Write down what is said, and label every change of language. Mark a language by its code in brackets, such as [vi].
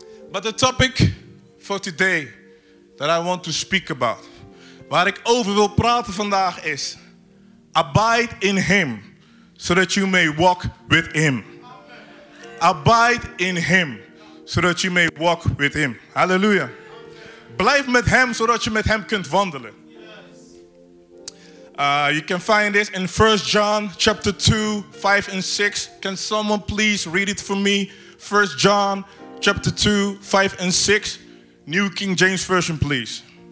[en] But the topic for today that I want to speak about, [nl] waar ik over wil praten vandaag is, [en] abide in Him, so that you may walk with Him. Amen. Abide in Him, so that you may walk with Him. Hallelujah. Amen. [nl] Blijf met Hem, zodat je met Hem kunt wandelen. [en] You can find this in 1 John chapter 2, 5 and 6. Can someone please read it for me? 1 John chapter 2, 5 and 6. New King James Version, please.